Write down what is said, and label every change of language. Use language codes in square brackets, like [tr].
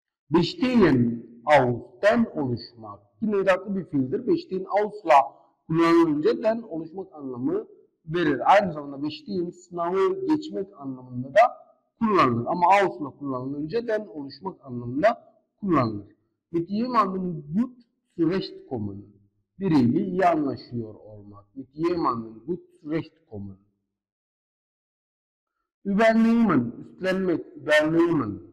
[tr] Bestehen, aus, den oluşmak. Yine edatlı bir fiildir. Bestehen, aus'la kullanılınca den oluşmak anlamı verir. Aynı zamanda bestehen, sınavı geçmek anlamında da kullanılır. Ama aus'la kullanılınca den oluşmak anlamında kullanılır. [de] Mit jemandem gut zurechtkommen. [tr] Biriyle iyi anlaşıyor olmak. [de] Mit jemandem gut zurechtkommen. Übernehmen, üstlenmek, übernehmen.